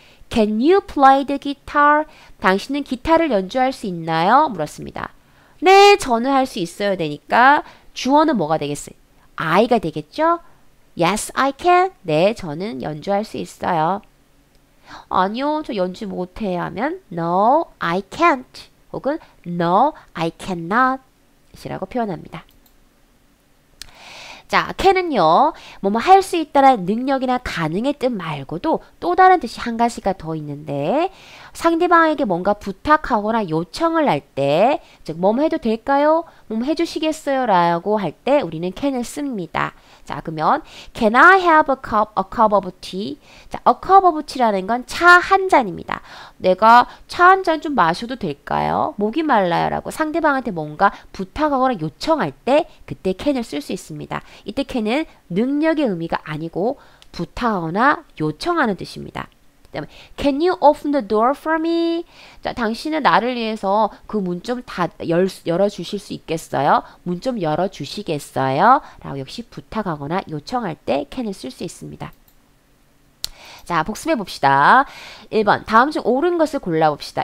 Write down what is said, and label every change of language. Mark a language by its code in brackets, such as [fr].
[en] Can you play the guitar? [ko] 당신은 기타를 연주할 수 있나요? 물었습니다. 네, 저는 할수 있어요. 되니까 주어는 뭐가 되겠어요? [en] I가 [ko] 되겠죠? [en] Yes, I can. [ko] 네, 저는 연주할 수 있어요. 아니요, 저 연주 못해요. 하면 [en] No, I can't. 혹은 No, I cannot. [ko] 이라고 표현합니다. 자, can은요, 뭐뭐 할수 있다는 능력이나 가능의 뜻 말고도 또 다른 뜻이 한 가지가 더 있는데, 상대방에게 뭔가 부탁하거나 요청을 할 때, 즉, 뭐뭐 해도 될까요? 뭐뭐 해주시겠어요? 라고 할때 우리는 can을 씁니다. 자, 그러면, [en] can I have a cup of tea? [ko] 자, a cup of tea라는 건차한 잔입니다. 내가 차한잔좀 마셔도 될까요? 목이 말라요라고 상대방한테 뭔가 부탁하거나 요청할 때, 그때 can을 쓸수 있습니다. 이때 can은 능력의 의미가 아니고, 부탁하거나 요청하는 뜻입니다. 그다음에 [en] can you open the door for me? [ko] 자, 당신은 나를 위해서 그문좀다 열어주실 수 있겠어요? 문좀 열어주시겠어요? 라고 역시 부탁하거나 요청할 때 can을 쓸수 있습니다. 자, 복습해 봅시다. 1번, 다음 중 옳은 것을 골라 봅시다.